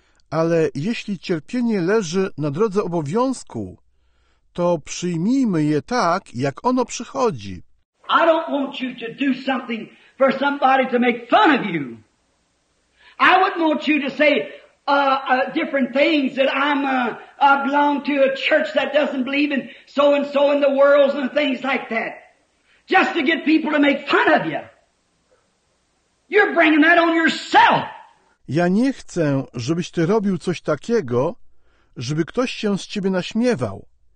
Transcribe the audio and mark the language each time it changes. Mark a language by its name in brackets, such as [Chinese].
[Polish] ale jeśli cierpienie leży na drodze obowiązku, to przyjmijmy je tak, jak ono przychodzi. [English] I don't want you to do something for somebody to make fun of you. I wouldn't want you to say different things that I belong to a church that doesn't believe in so and so in the world and things like that. Just to get people to make fun of you. You're bringing that on yourself. [Polish] Ja nie chcę, żebyś ty robił coś takiego, żeby ktoś się z ciebie naśmiewał.